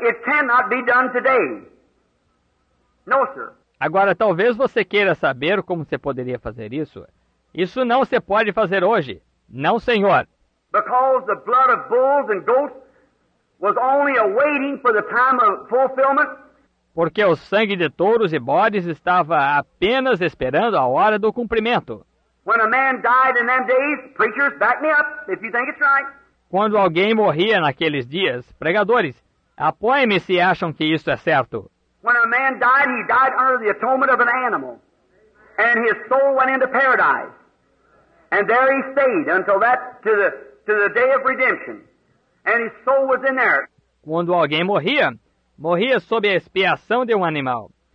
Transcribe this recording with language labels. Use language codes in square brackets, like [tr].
[en] It cannot be done today. No, sir. [pt] Agora, talvez você queira saber como você poderia fazer isso. Isso não se pode fazer hoje. Não, senhor. [en] Because the blood of bulls and goats was only awaiting for the time of fulfillment. [pt] Porque o sangue de touros e bodes estava apenas esperando a hora do cumprimento. [en] When a man died in them days, preachers, back me up if you think it's right. [pt] Quando alguém morria naqueles dias, pregadores, apoiem-me se acham que isso é certo. [en] When a man died, he died under the atonement of an animal. And his soul went into paradise. And there he stayed until that, to the day of redemption. And his soul was in there. [pt] Quando alguém morria, morria sob a expiação de um animal.